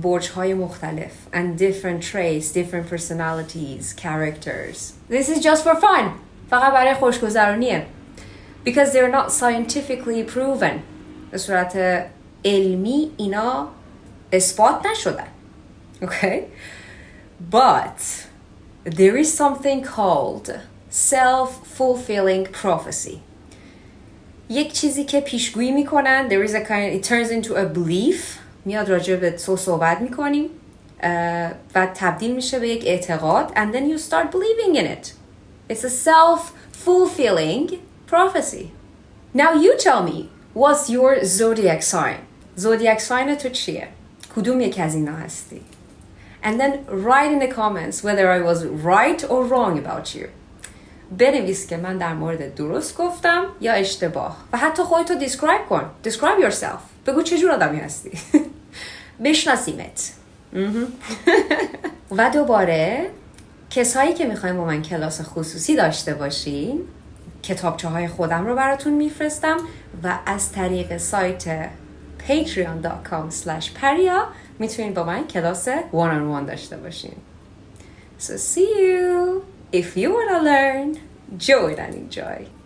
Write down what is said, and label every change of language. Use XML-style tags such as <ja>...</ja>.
<fa>برج های مختلف.</fa> <en>And different traits. Different personalities. Characters. This is just for fun.</en> <fa>فقط برای خوشگذرانیه.</fa> <en>Because they're not scientifically proven.</en> <fa>به صورت علمی اینا اثبات نشدن.</fa> <en>Okay? But there is something called self-fulfilling prophecy.</en> <fa>یک چیزی که پیشگویی میکنن.</fa> <en>There is a kind, it turns into a belief.</en> <fa>میاد راجع به تو صحبت میکنیم. و تبدیل میشه به یک اعتقاد.</fa> <en>And then you start believing in it. It's a self-fulfilling prophecy. Now you tell me, what's your zodiac sign? Zodiac sign</en> <fa>تو چیه؟ کدوم یکی از اینا هستی؟</fa> <en>And then write in the comments whether I was right or wrong about you.</en> <fa>بنویس که من در مورد درست گفتم یا اشتباه. و حتی خودتو describe کن.</fa> <en>Describe yourself.</en> <fa>بگو چجور آدمی هستی. بشناسیمت. و دوباره کسایی که میخواییم با من کلاس خصوصی داشته باشین، کتابچه‌های خودم رو براتون میفرستم و از طریق سایت patreon.com/paria میتونید با من کلاس one on one داشته باشین.</fa> <en>So see you if you want to learn, join and enjoy.</en>